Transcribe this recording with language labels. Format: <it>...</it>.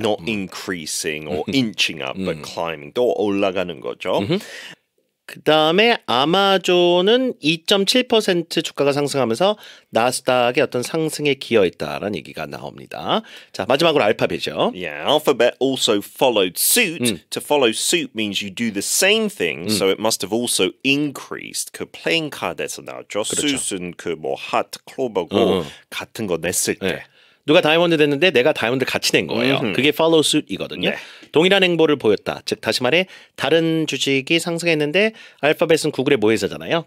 <en>Not increasing or inching up, but climbing.</en> <ko>또 올라가는 거죠. 그다음에 아마존은 2.7% 주가가 상승하면서 나스닥의 어떤 상승에 기여했다라는 얘기가 나옵니다. 자, 마지막으로 알파벳이요.</ko> <en>Yeah, alphabet also followed suit. To follow suit means you do the same thing, so it must have also increased.</en> <ko>그 플레잉 카드에서 나왔죠. 그렇죠. 수순 그 뭐 하트 클로버고 같은 거 냈을 때. 네. 누가 다이아몬드 됐는데 내가 다이아몬드 같이 낸 거예요. 그게 follow suit이거든요. 네. 동일한 행보를 보였다. 즉 다시 말해 다른 주식이 상승했는데 알파벳은 구글의 모회사잖아요.</ko>